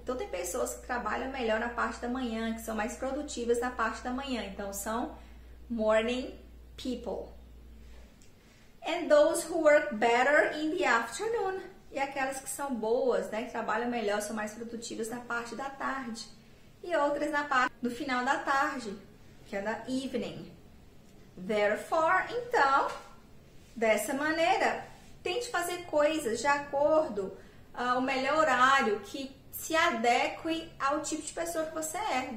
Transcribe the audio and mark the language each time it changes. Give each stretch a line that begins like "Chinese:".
Portuguese: Então, tem pessoas que trabalham melhor na parte da manhã, que são mais produtivas na parte da manhã. Então, são morning people.
English: And those who work better in the afternoon.
Portuguese: E aquelas que são boas, né? Que trabalham melhor, são mais produtivas na parte da tarde. E outras na parte do final da tarde, que é da evening. Therefore, então, dessa maneira, tente fazer coisas de acordo ao melhor horário que se adeque ao tipo de pessoa que você é.